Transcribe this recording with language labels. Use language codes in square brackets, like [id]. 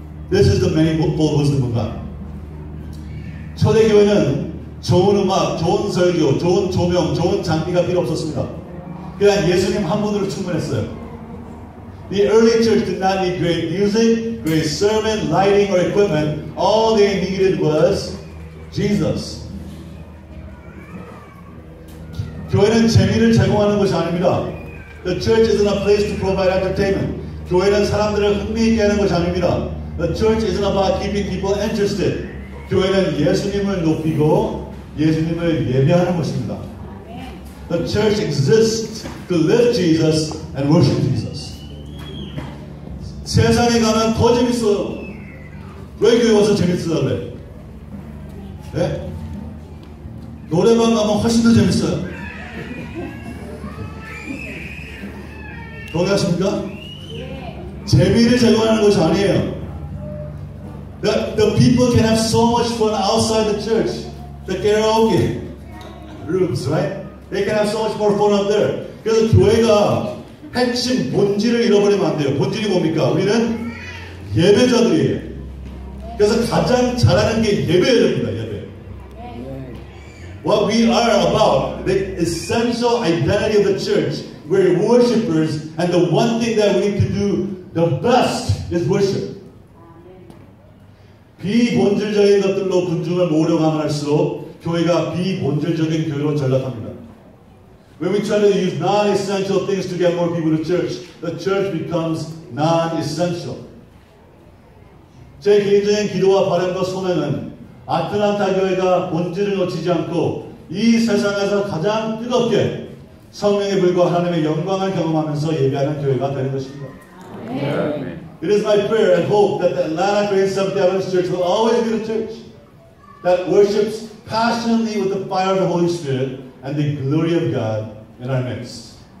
[en] This is the main bold wisdom of God. [ko] 초대교회는 좋은 음악, 좋은 설교, 좋은 조명, 좋은 장비가 필요 없었습니다. 그냥 예수님 한 분으로 충분했어요. [en] The early church did not need great music, great sermon, lighting, or equipment. All they needed was Jesus. [ko] 교회는 재미를 제공하는 것이 아닙니다. [en] The church isn't a place to provide entertainment. [ko] 교회는 사람들을 흥미있게 하는 것이 아닙니다. [en] The church isn't about keeping people interested. [ko] 교회는 예수님을 높이고 예수님을 예배하는 것입니다. [en] The church exists to lift Jesus and worship Jesus. [ko] 세상에 가면 더 재밌어요. 왜 교회 와서 재밌으라고 그래? 네? 노래방 가면 훨씬 더 재밌어요. 동의하십니까? 재미를 제공하는 것이 아니에요. [en] The people can have so much fun outside the church. The karaoke rooms, right? They can have so much more fun up there. [ko] 그래서 교회가 핵심 본질을 잃어버리면 안 돼요. 본질이 뭡니까? 우리는 예배자들이에요. 그래서 가장 잘하는 게 예배자입니다, 예배. [en] What we are about, the essential identity of the church, we're worshipers, and the one thing that we need to do the best is worship. [ko] 비본질적인 것들로 군중을 모으려고 하면 할수록 교회가 비본질적인 교회로 전락합니다. [en] When we try to use non-essential things to get more people to church, the church becomes non-essential. [ko] 제 개인적인 기도와 바람과 소명은 아틀란타 교회가 본질을 놓치지 않고 이 세상에서 가장 뜨겁게 성령의 불과 하나님의 영광을 경험하면서 예배하는 교회가 되는 것입니다. [en] It is my prayer and hope that the Atlanta Great Assembly Adventist Church will always be the church that worships passionately with the fire of the Holy Spirit and the glory of God in our midst.